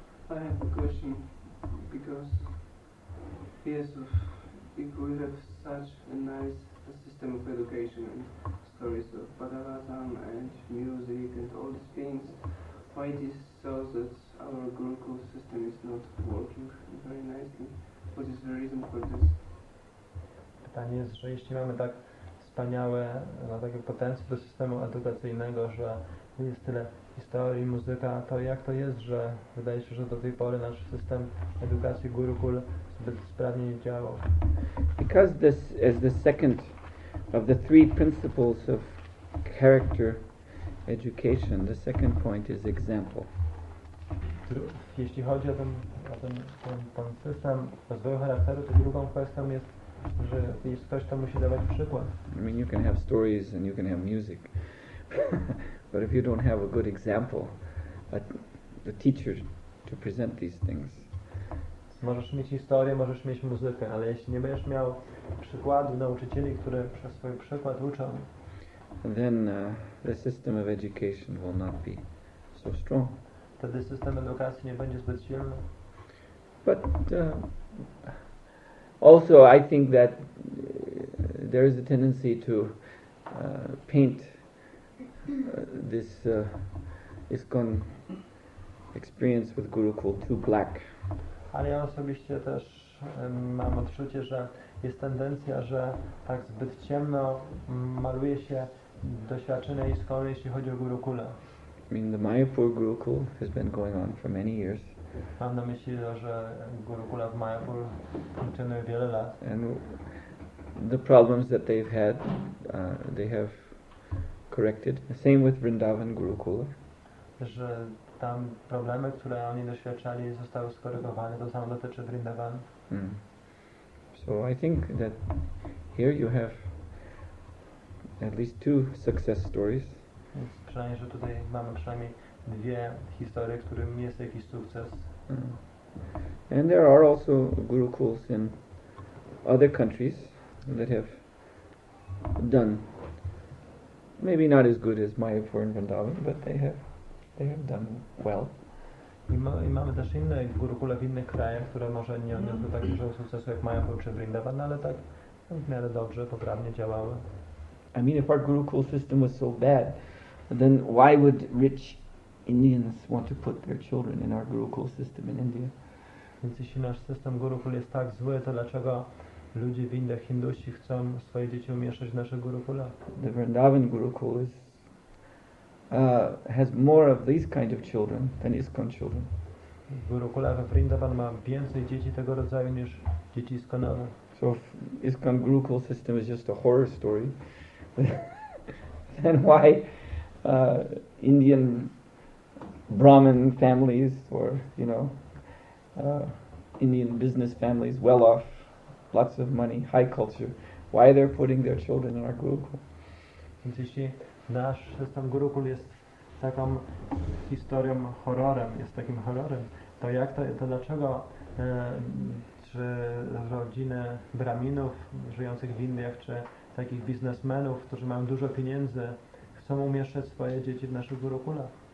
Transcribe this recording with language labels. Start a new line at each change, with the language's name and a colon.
English: I have a question, because yes, if we have such a nice system of education and stories of Bhagavatam and music and all these things, why it is so that our Gurukul system is not working very nicely? What is the reason for this?
Polish: Pytanie jest, że jeśli mamy tak wspaniałe, no, takie potencjał do systemu edukacyjnego, że jest tyle historii, muzyka, to jak to jest, że wydaje się, że do tej pory nasz system edukacji Gurukul zbyt sprawnie nie działał?
English: Because this is the second of the three principles of character education, the second point is example.
Polish: Jeśli chodzi o ten system rozwoju charakteru, to drugą kwestią jest, że jest ktoś, kto musi dawać przykład.
English: I mean, you can have stories and you can have music, but if you don't have a good example, the teacher to present these things.
Polish: Możesz mieć historię, możesz mieć muzykę, ale jeśli nie będziesz miał przykładu nauczycieli, którzy przez swój przykład uczą,
English: then the system of education will not be so strong.
Polish: Wtedy system edukacji nie będzie zbyt silny.
English: But also I think that there is a tendency to paint this ISKCON experience with Gurukul too black.
Polish: Ale ja osobiście też mam odczucie, że jest tendencja, że tak zbyt ciemno maluje się doświadczenie ISKCON, jeśli chodzi o Gurukula.
English: I mean, the Mayapur Gurukul has been going on for many years.
Polish: Mam na myśli, że Gurukula w Mayapur funkcjonuje wiele lat.
English: And the problems that they've had, they have corrected. Same with Vrindavan Gurukul.
Polish: Że tam problemy, które oni doświadczali, zostały skorygowane. To samo dotyczy Vrindavan. Mm.
English: So I think that here you have at least two success stories.
Polish: Przynajmniej, że tutaj mamy przynajmniej dwie historie, którym jest jakiś sukces.
English: And there are also gurukuls in other countries that have done maybe not as good as Mayapur and Vrindavan, but they have done well.
Polish: I mamy też inne gurukule w innych krajach, które może nie odniosły tak dużego sukcesu jak Mayapur czy Vrindavan, ale tak w miarę dobrze, poprawnie działały.
English: I mean, if our gurukul system was so bad, then why would rich Indians want to put their children in our gurukul system in India?
Polish: Więc jeśli nasz system gurukul jest tak zły, to dlaczego ludzie w Indiach, Hindusi, chcą swoje dzieci umieszczać w naszych gurukulach?
English: The Vrindavan gurukul has more of these kind of children than ISKCON children.
Polish: Gurukula we Vrindavan ma więcej dzieci tego rodzaju niż dzieci ISKCONowe.
English: So if ISKCON gurukul system is just a horror story, then why Indian Brahmin families, or, you know, Indian business families, well off, lots of money, high culture, why they're putting their children in our Gurukul?
Polish: Więc jeśli nasz system Gurukul jest taką historią, horrorem, jest takim horrorem, to jak to, to dlaczego czy rodziny braminów żyjących w Indiach, czy takich biznesmenów, którzy mają dużo pieniędzy, chcą umieszczać swoje dzieci w naszych gurukulach?